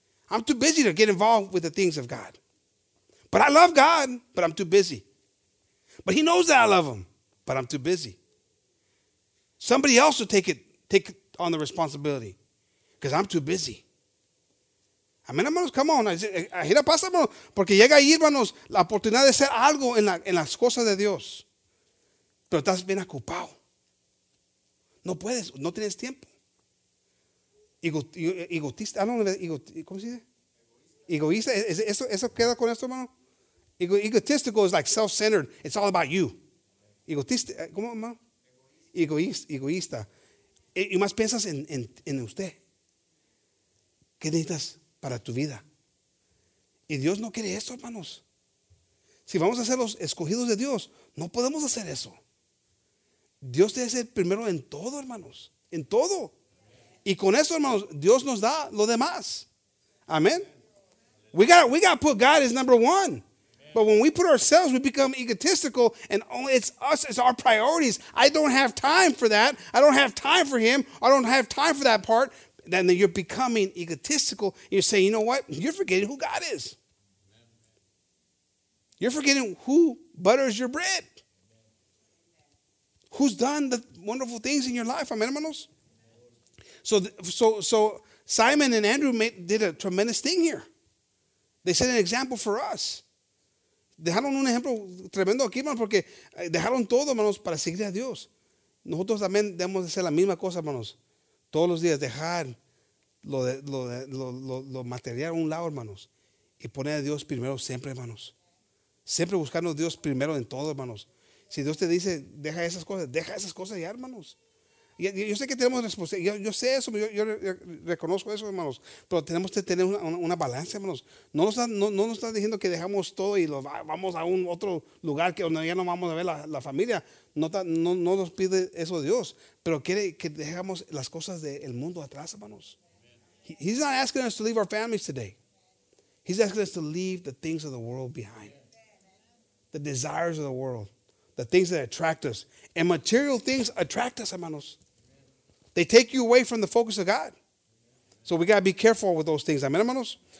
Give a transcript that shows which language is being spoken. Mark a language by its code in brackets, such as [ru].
[en] I'm too busy to get involved with the things of God. But I love God, but I'm too busy. But he knows that I love him, but I'm too busy. Somebody else will take on the responsibility because I'm too busy. [es] Amén, hermanos, [en] come on. [es] Ahí la pasa, hermanos, porque llega ahí, hermanos, la oportunidad de hacer algo en las cosas de Dios. Pero estás bien ocupado. No puedes, no tienes tiempo. Egoísta, ¿cómo se dice? Egoísta, ¿eso queda con esto, hermano? [en] Egotistical is like self-centered. It's all about you. [es] Egotista, ¿cómo, mamá? Egoísta. Y más piensas en usted. ¿Qué necesitas para tu vida? Y Dios no quiere eso, hermanos. Si vamos a ser los escogidos de Dios, no podemos hacer eso. Dios debe ser primero en todo, hermanos. En todo. Y con eso, hermanos, Dios nos da lo demás. [en] Amén. We got to put God as number one. But when we put ourselves, we become egotistical and only it's us, it's our priorities. I don't have time for that. I don't have time for him. I don't have time for that part. Then you're becoming egotistical. You're saying, you know what? You're forgetting who God is. You're forgetting who butters your bread. Who's done the wonderful things in your life, amen, hermanos? So Simon and Andrew did a tremendous thing here. They set an example for us. [es] Dejaron un ejemplo tremendo aquí, hermanos, porque dejaron todo, hermanos, para seguir a Dios. Nosotros también debemos hacer la misma cosa, hermanos. Todos los días dejar lo material a un lado, hermanos. Y poner a Dios primero siempre, hermanos. Siempre buscando a Dios primero en todo, hermanos. Si Dios te dice, deja esas cosas ya, hermanos. Yo sé que tenemos responsabilidad. Yo sé eso, yo reconozco eso, hermanos. Pero tenemos que tener una balanza, hermanos. No nos está diciendo que dejamos todo y vamos a un otro lugar que donde ya no vamos a ver la familia. No nos pide eso Dios. Pero quiere que dejamos las cosas del mundo atrás, hermanos. [en] He's not asking us to leave our families today. He's asking us to leave the things of the world behind. The desires of the world. The things that attract us. And material things attract us, hermanos. They take you away from the focus of God. So we got to be careful with those things. Amen, hermanos.